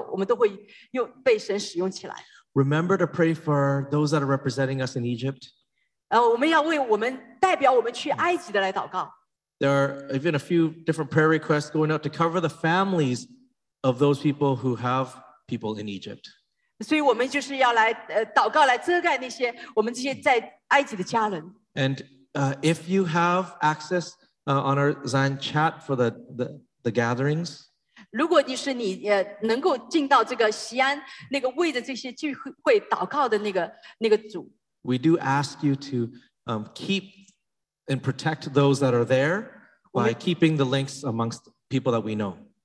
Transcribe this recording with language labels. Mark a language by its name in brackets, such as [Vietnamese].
[Chinese] 我相信时候到了，我们所有的手，我们都会又被神使用起来。 [English] Remember to pray for those that are representing us in Egypt. [Chinese] 我们要为我们代表我们去埃及的来祷告。 [English] There are even a few different prayer requests going out to cover the families of those people who have people in Egypt. [Chinese] 所以我们就是要来祷告，来遮盖那些我们这些在埃及的家人。 [English] And if you have access. On our Zion chat for the gatherings. [Chinese] 如果你是你能够进到这个西安那个为着这些聚会祷告的那个组。 [English] We do ask you to keep and protect those that are there by keeping the links amongst people that we know.